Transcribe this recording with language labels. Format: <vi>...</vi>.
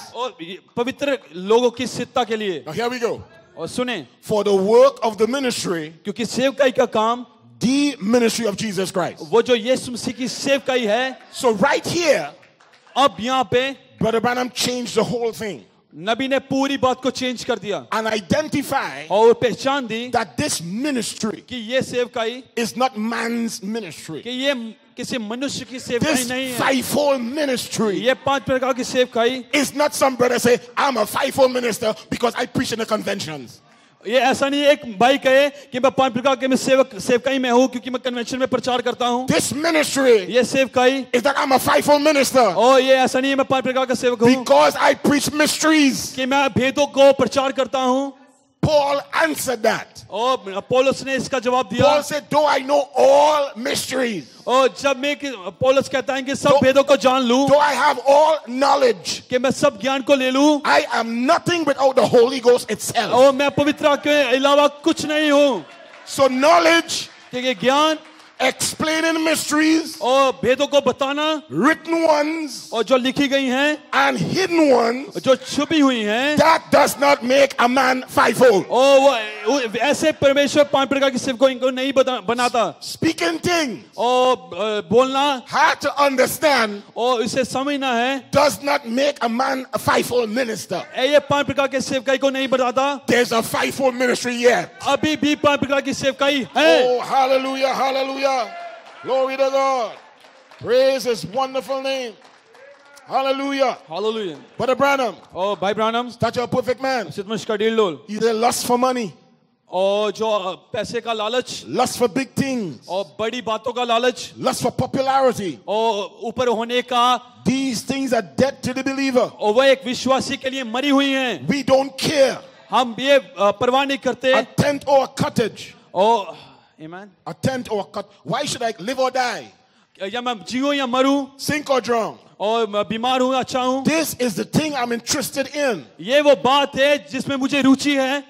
<hi>और पवित्र लोगों की सिद्धता के लिए.</hi> <en>Now here we go.</en> <hi>और सुने.</hi> <en>For the work of the ministry,</en> <hi>क्योंकि सेवकाई का काम.</hi> <en>The ministry of Jesus Christ,</en> <hi>वो जो यीशु मसीह की सेवकाई है.</hi> <en>So right here,</en> <hi>अब यहाँ पे</hi> <en>Brother Branham changed the whole thing,</en> <hi>नबी ने पूरी बात को चेंज कर दिया.</hi> <en>And identify,</en> <hi>और पहचान दी.</hi> <en>That this ministry,</en> <hi>कि ये सेवकाई.</hi> <en>Is not man's ministry,</en> <hi>कि ये किसी मनुष्य की सेवकाई नहीं है.</hi> <en>This fivefold ministry,</en> <hi>ये पांच प्रकार की सेवकाई.</hi> <en>Is not some brother say, I'm a fivefold minister because I preach in the conventions.</en> <hi>ये ऐसा नहीं एक भाई कहे कि मैं पांच प्रकार के मैं सेवक सेवकाई में हूँ क्योंकि मैं कन्वेंशन में प्रचार करता हूँ.</hi> <en>This ministry,</en> <hi>ये सेवकाई.</hi> <en>Is that I'm a fivefold minister.</en> <hi>और ये ऐसा नहीं है मैं पांच प्रकार का सेवक हूँ.</hi> <en>Because I preach mysteries,</en> <hi>कि मैं भेदों को प्रचार करता हूँ.</hi> <en>Paul answered that.</en> <hi>और पौलुस ने इसका जवाब दिया.</hi> <en>Paul said, Though I know all mysteries.</en> <hi>और जब मैं पौलुस कहता है कि सब भेदों को जान लूं.</hi> <en>Though I have all knowledge.</en> <hi>कि मैं सब ज्ञान को ले लूं.</hi> <en>I am nothing without the Holy Ghost itself.</en> <hi>और मैं पवित्र के अलावा कुछ नहीं हूं.</hi> <en>So knowledge.</en> <hi>क्योंकि ज्ञान.</hi> <en>Explaining mysteries.</en> <hi>और भेदों को बताना.</hi> <en>Written ones.</en> <hi>और जो लिखी गई हैं.</hi> <en>And hidden ones.</en> <hi>जो छुपी हुई हैं.</hi> <en>That does not make a man fivefold.</en> <hi>और ऐसे परमेश्वर पांच प्रकार की सेवकाई को नहीं बनाता.</hi> <en>Speaking things.</en> <hi>और बोलना.</hi> <en>Hard to understand.</en> <hi>और इसे समझना है.</hi> <en>Does not make a man a fivefold minister.</en> <hi>ये पांच प्रकार की सेवकाई को नहीं बनाता.</hi> <en>There's a fivefold ministry yet.</en> <hi>अभी भी पांच प्रकार की सेवकाई है.</hi> <en>Oh hallelujah, hallelujah. Glory to God. Praise His wonderful name. Hallelujah. Hallelujah. Brother Branham. Oh, by Branham. Such a perfect man. He's a lust for money.</en> <hi>Oh, जो पैसे का लालच.</hi> <en>Lust for big things.</en> <hi>और बड़ी बातों का लालच.</hi> <en>Lust for popularity.</en> <hi>और ऊपर होने का.</hi> <en>These things are dead to the believer.</en> <hi>और वह एक विश्वासी के लिए मरी हुई हैं.</hi> <en>We don't care.</en> <hi>हम ये परवाह नहीं करते.</hi> <en>A tent or a cottage. Oh. Amen. A tent or a cut. Why should I live or die?</en> <hi>या मैं जीऊँ या मरूँ?</hi> <en>Sink or drown.</en> <hi>और बीमार हूँ या चाहूँ?</hi> <en>This is the thing I'm interested in.</en> <hi>ये वो बात है जिसमें मुझे रुचि है.</hi>